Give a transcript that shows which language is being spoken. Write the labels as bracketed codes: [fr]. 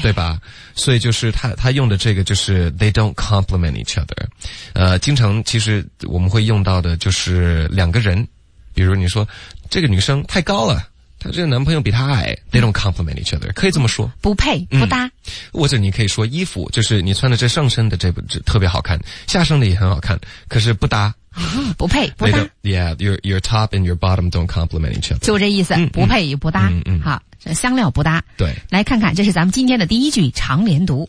[zh] 对吧所以就是他用的这个就是 [en] they don't complement each other [zh] 经常其实我们会用到的就是两个人比如你说这个女生太高了他这个男朋友比他矮 ,they don't complement each other, 可以这么说。不配不搭、嗯。或者你可以说衣服就是你穿的这上身的这特别好看下身的也很好看可是不搭。哦、不配不搭。 [en] Yeah, your top and your bottom don't complement each other. [zh] 就这意思、嗯、不配也不搭。嗯好这香料不搭。对。来看看这是咱们今天的第一句常连读。